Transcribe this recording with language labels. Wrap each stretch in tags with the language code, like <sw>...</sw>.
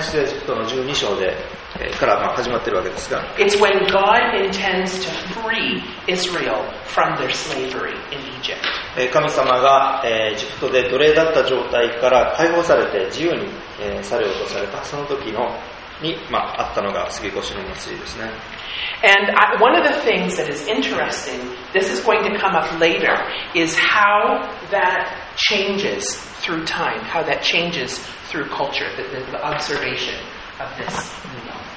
<ja>出エジプトの12章で、から、まあ、始まってるわけですが。</ja> <en>It's when God intends to free Israel from their slavery in Egypt.</en> <ja>神様が、エジプトで奴隷だった状態から解放されて自由に、されようとされた、その時のに、まあ、あったのが過ぎ越しの祭りですね。</ja> <en>And one of the things that is interesting, this is going to come up later, is how that changes through time, how that changes through culture, the observation of this meal.</en>